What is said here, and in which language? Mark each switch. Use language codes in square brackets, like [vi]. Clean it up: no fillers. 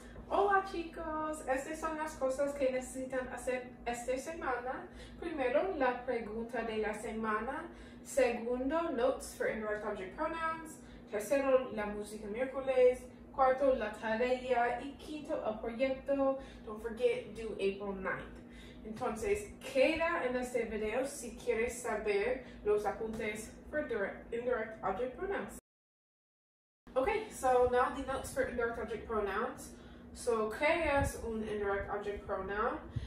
[es] Hola chicos, estas son las cosas que necesitan hacer esta semana. Primero, la pregunta de la semana. Segundo, [en] notes for indirect object pronouns. [es] Tercero, la música miércoles. Cuarto, la tarea. Y quinto, el proyecto. [en] Don't forget, due April 9th. [es] Entonces, queda en este video si quieres saber los apuntes [en] for indirect object pronouns. Okay, so now the notes for indirect object pronouns. So, [es] creas un [en] indirect object pronoun.